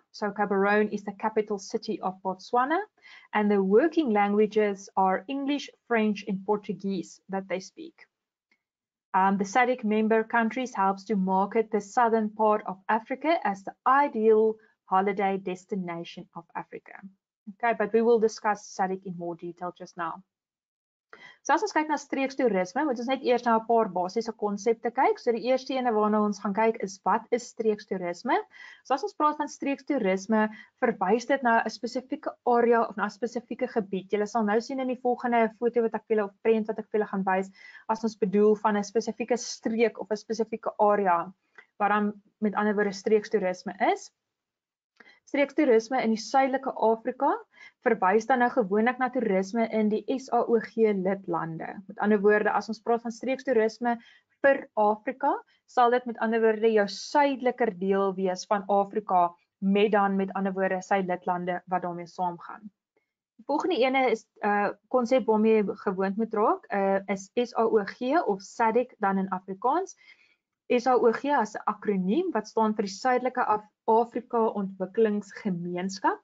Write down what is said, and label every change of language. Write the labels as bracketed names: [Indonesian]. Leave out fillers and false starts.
[English] So Gaborone is the capital city of Botswana, and the working languages are English, French, and Portuguese that they speak. The SADC member countries helps to market the southern part of Africa as the ideal holiday destination of Africa. Okay, but we will discuss SADC in more detail just now. [Afrikaans] So as ons kyk na streekstoerisme, moet ons net eers na 'n paar basiese konsepte kyk. So die eerste ene waarna ons gaan kyk is wat is streekstoerisme? So as ons praat van streekstoerisme, verwys dit na 'n spesifieke area of na 'n spesifieke gebied. Julle sal nou sien in die volgende foto wat ek vir julle of prent wat ek vir julle gaan wys, as ons bedoel van 'n spesifieke streek of 'n spesifieke area, wat dan met ander woorde streekstoerisme is. Streektoerisme in die suidelike Afrika verwys dan nou gewoonlik na toerisme in die SAOG lidlande. Met ander woorde, as ons praat van streektoerisme vir Afrika, sal dit met ander woorde jou suideliker deel wees van Afrika met dan met ander woorde sy lidlande wat daarmee saamgaan. Die volgende ene is konsep waarmee jy gewoond moet raak, is SAOG of SADC dan in Afrikaans. SAOG as 'n akroniem wat staan vir die suidelike Afrika Ontwikkelingsgemeenskap.